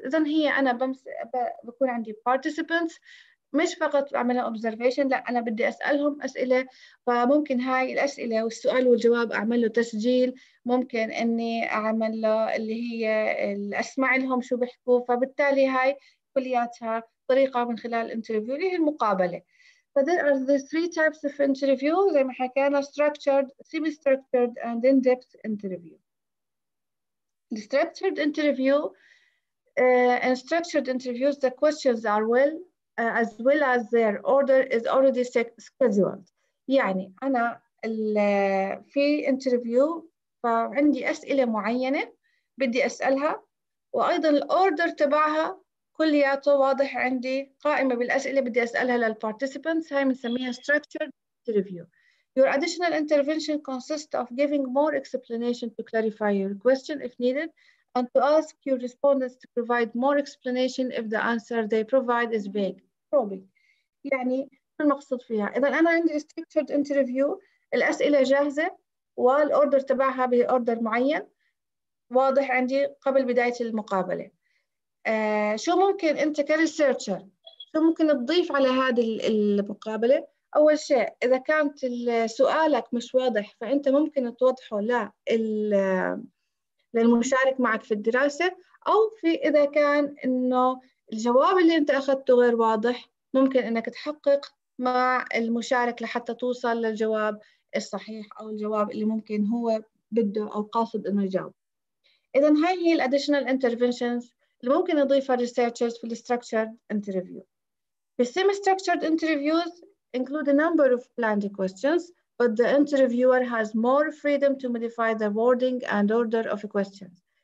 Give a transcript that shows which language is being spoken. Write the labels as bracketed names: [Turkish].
[Arabic] إذن هي أنا بكون عندي participants مش فقط بعمل observation، لا أنا بدي أسألهم أسئلة، فممكن هاي الأسئلة والسؤال والجواب أعمل له تسجيل، ممكن إني أعمل له اللي هي أسمع لهم شو بحكوا، فبالتالي هاي كلياتها طريقة من خلال interview اللي هي المقابلة. [English] So there are the three types of interview, [Arabic] زي ما حكينا [English] structured, semi-structured, and in-depth interview. The structured interview and structured interviews, the questions are well, as well as their order is already scheduled. [Arabic] يعني أنا في interview فعندي أسئلة معينة بدي أسألها، وأيضا الأوردر تبعها كلياته واضح عندي، قائمة بالأسئلة بدي أسألها للparticipants، هاي بنسميها structured interview. [English] Your additional intervention consists of giving more explanation to clarify your question if needed and to ask your respondents to provide more explanation if the answer they provide is vague. Probing. [Arabic] يعني شو المقصود فيها؟ إذا أنا عندي structured interview الأسئلة جاهزة والأوردر تبعها بأوردر معين واضح عندي قبل بداية المقابلة. شو ممكن انت كريسيرشر شو ممكن تضيف على هذه المقابله؟ اول شيء اذا كانت سؤالك مش واضح فانت ممكن توضحه للمشارك معك في الدراسه، او في اذا كان انه الجواب اللي انت اخذته غير واضح ممكن انك تحقق مع المشارك لحتى توصل للجواب الصحيح او الجواب اللي ممكن هو بده او قاصد انه يجاوب. اذا هاي هي الاديشنال انترفينشنز اللي ممكن نضيفها researchers في structured interview. [English] The semi-structured interviews include a number of planned questions, but the interviewer has more freedom to modify the wording and order of the questions.